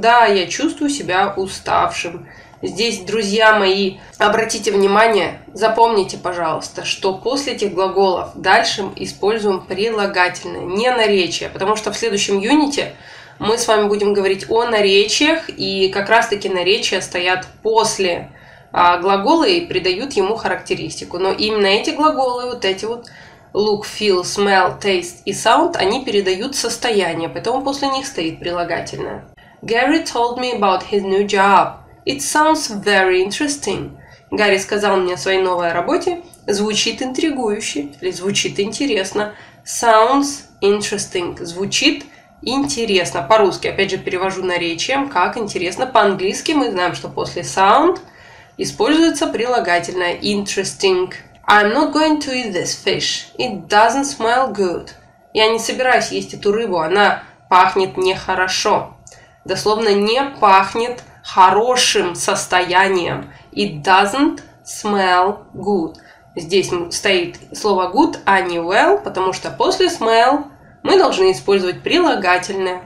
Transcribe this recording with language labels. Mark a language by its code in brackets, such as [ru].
[ru] Да, я чувствую себя уставшим. Здесь, друзья мои, обратите внимание, запомните, пожалуйста, что после этих глаголов дальше используем прилагательное, не наречие, потому что в следующем юните мы с вами будем говорить о наречиях, и как раз-таки наречия стоят после глагола и придают ему характеристику. Но именно эти глаголы, вот эти вот look, feel, smell, taste и sound, они передают состояние, поэтому после них стоит прилагательное. [en] Gary told me about his new job. It sounds very interesting. [ru] Гарри сказал мне о своей новой работе. Звучит интригующе или звучит интересно. [en] Sounds interesting. [ru] Звучит интересно. По-русски, опять же, перевожу наречием, как интересно. По-английски мы знаем, что после sound используется прилагательное interesting. [en] I'm not going to eat this fish. It doesn't smell good. [ru] Я не собираюсь есть эту рыбу. Она пахнет нехорошо. Дословно, не пахнет хорошим состоянием. [en] It doesn't smell good. [ru] Здесь стоит слово good, а не well, потому что после smell мы должны использовать прилагательное.